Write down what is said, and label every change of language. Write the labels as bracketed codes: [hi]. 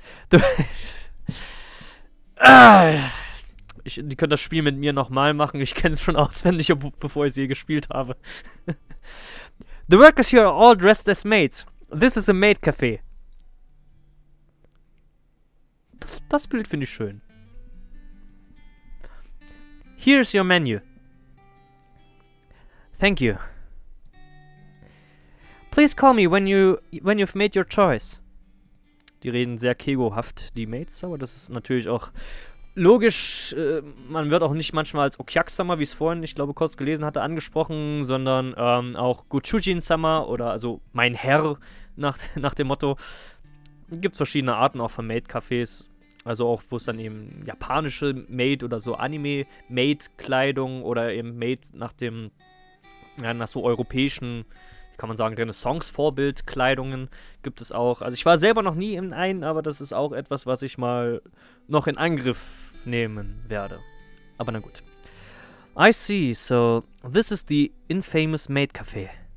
[de] Die können das Spiel mit mir nochmal machen. Ich kenne es schon auswendig, bevor ich es je gespielt habe. [en] The workers here are all dressed as maids. This is a maid cafe. [de] Das Bild finde ich schön. [en] Here's your menu. Thank you. Please call me when you've made your choice. [de] Die reden sehr kegohaft, die Maids, aber das ist natürlich auch logisch, man wird auch nicht manchmal als Okyak-sama, wie es vorhin, ich glaube, kurz gelesen hatte, angesprochen, sondern auch Gochujin-sama oder also mein Herr nach dem Motto. Gibt es verschiedene Arten auch von Maid-Cafés. Also auch, wo es dann eben japanische Maid oder so Anime-Maid-Kleidung oder eben Maid nach dem, ja, nach so europäischen, kann man sagen, Renaissance-Vorbild-Kleidungen gibt es auch. Also ich war selber noch nie in einen, aber das ist auch etwas, was ich mal noch in Angriff nehmen werde. Aber na gut. [en] I see, so this is the infamous Maid Café.